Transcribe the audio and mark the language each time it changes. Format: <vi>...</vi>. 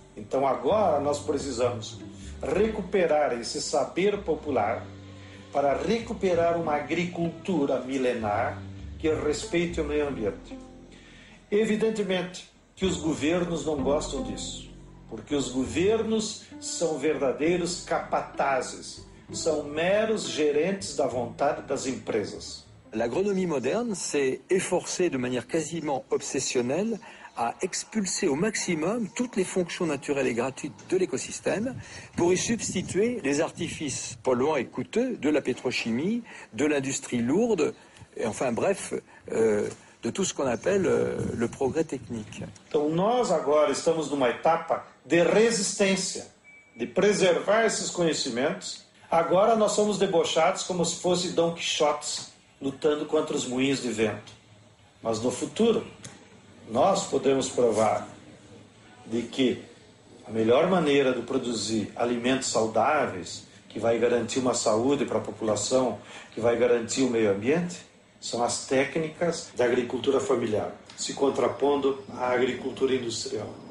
<pt>Então agora nós precisamos recuperar esse saber popular para recuperar uma agricultura milenar que respeite o meio ambiente. Evidentemente que os governos não gostam disso, porque os governos são verdadeiros capatazes, são meros gerentes da vontade das empresas.</pt> <fr>L'agronomie moderne s'est efforcée de manière quasiment obsessionnelle à expulser au maximum toutes les fonctions naturelles et gratuites de l'écosystème pour y substituer les artifices polluants et coûteux de la pétrochimie, de l'industrie lourde, et enfin bref, de tout ce qu'on appelle le progrès technique.</fr> <pt>Então nós agora estamos numa etapa de resistência, de preservar esses conhecimentos. Agora nós somos debochados como se fosse Don Quixote lutando contra os moinhos de vento. Mas no futuro, nós podemos provar de que a melhor maneira de produzir alimentos saudáveis, que vai garantir uma saúde para a população, que vai garantir o meio ambiente, são as técnicas da agricultura familiar, se contrapondo à agricultura industrial.</pt>